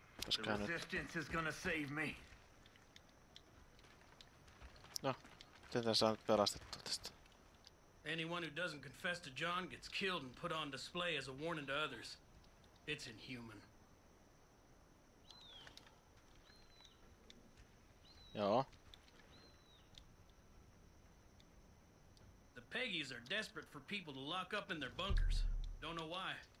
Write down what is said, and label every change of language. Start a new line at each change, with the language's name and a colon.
English: The resistance is gonna save me.
Finnish: No, miten tän saa nyt pelastettu tästä?
English: Anyone who doesn't confess to John gets killed and put on display as a warning to others. It's inhuman.
Finnish: Joo.
English: The Peggies are desperate for people to lock up in their bunkers. Don't know why,